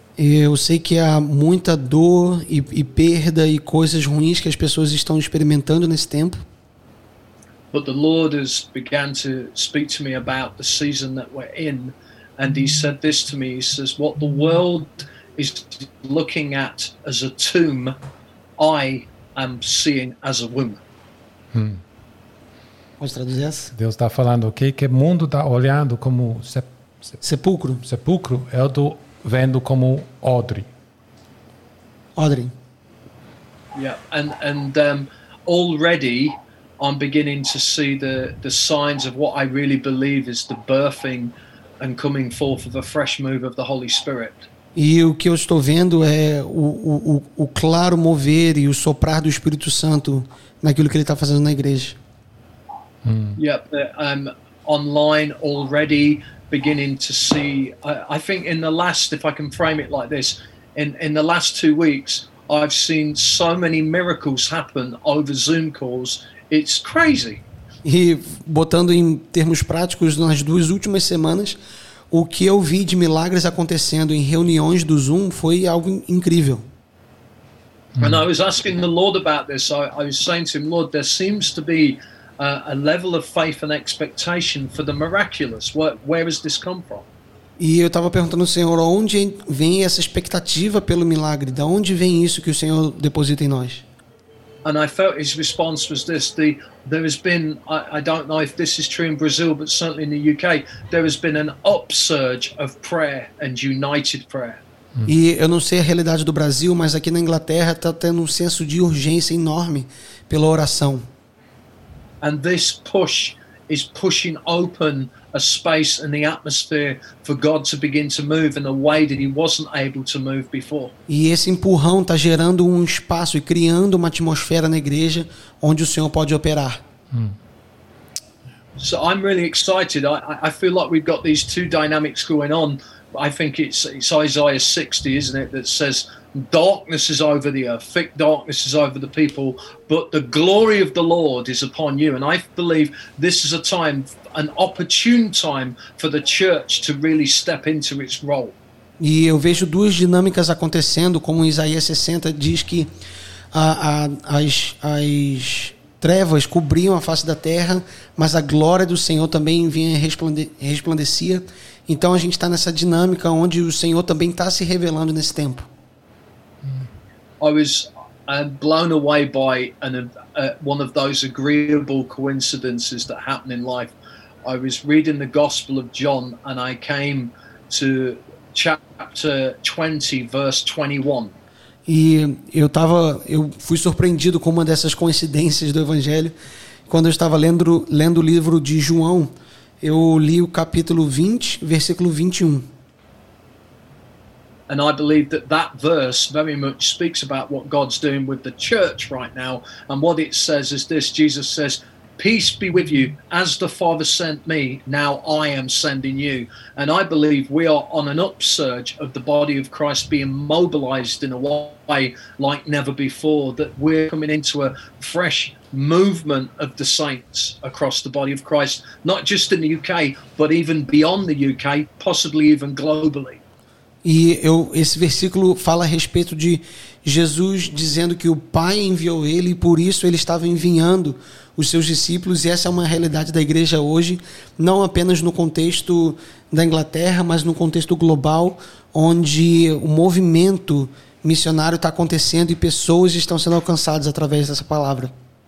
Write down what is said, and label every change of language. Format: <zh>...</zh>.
<pt>Eu sei que há muita dor e perda e coisas ruins que as pessoas estão experimentando nesse tempo.</pt> <en>But the Lord has began to speak to me about the season that we're in, and he said this to me. He says, what the world is looking at as a tomb, I am seeing as a womb.</en> <pt>Posso traduzir essa? Deus está falando aqui que o mundo está olhando como sepulcro. Sepulcro, eu estou vendo como odre. Odre.</pt> <en>Yeah, and already... I'm beginning to see the signs of what I really believe is the birthing and coming forth of a fresh move of the Holy Spirit.</en> <pt>E o que eu estou vendo é o claro mover e o soprar do Espírito Santo naquilo que ele está fazendo na igreja.</pt> <en>Yep, I'm online already beginning to see. I think in the last, if I can frame it like this, in the last 2 weeks, I've seen so many miracles happen over Zoom calls. It's crazy.</en> <pt>E botando em termos práticos, nas duas últimas semanas, o que eu vi de milagres acontecendo em reuniões do Zoom foi algo incrível.</pt> <en>And I was asking the Lord about this. I was saying to him, Lord, there seems to be a level of faith and expectation for the miraculous. Where has this come from?</en> <pt>E eu estava perguntando ao Senhor, onde vem essa expectativa pelo milagre? De onde vem isso que o Senhor deposita em nós?</pt> <en>And I felt his response was this: there has been, I don't know if this is true in Brazil, but certainly in the UK, there has been an upsurge of prayer and united prayer.</en> <pt>E eu não sei a realidade do Brasil, mas aqui na Inglaterra está tendo um senso de urgência enorme pela oração.</pt> <en>And this push is pushing open a space and the atmosphere for God to begin to move in a way that he wasn't able to move before.</en> <pt>E esse empurrão está gerando um espaço e criando uma atmosfera na igreja onde o Senhor pode operar.</pt> <en>So I'm really excited. I feel like we've got these two dynamics going on. I think it's Isaiah 60, isn't it, that says darkness is over the earth, thick darkness is over the people, but the glory of the Lord is upon you. And I believe this is a time, an opportune time for the church to really step into its role.</en> <pt>E eu vejo duas dinâmicas acontecendo, como Isaías 60 diz que as trevas cobriam a face da terra, mas a glória do Senhor também vinha resplandecia. Então a gente está nessa dinâmica onde o Senhor também está se revelando nesse tempo.</pt> <en>I was blown away by one of those agreeable coincidences that happen in life. I was reading the Gospel of John and I came to chapter 20, verse 21.</en> <pt>E eu fui surpreendido com uma dessas coincidências do Evangelho quando eu estava lendo o livro de João. Eu li o capítulo 20, versículo 21.</pt> <en>And I believe that verse very much speaks about what God's doing with the church right now. And what it says is this: Jesus says, "Peace be with you. As the Father sent me, now I am sending you." And I believe we are on an upsurge of the body of Christ being mobilized in a way like never before, that we're coming into a fresh movement of the saints across the body of Christ, not just in the UK, but even beyond the UK, possibly even globally.</en> <pt>E esse versículo fala a respeito de Jesus dizendo que o Pai enviou ele e por isso ele estava enviando os seus discípulos, e essa é uma realidade da igreja hoje, não apenas no contexto da Inglaterra, mas no contexto global, onde o movimento missionário está acontecendo e pessoas estão sendo alcançadas através dessa palavra.</pt>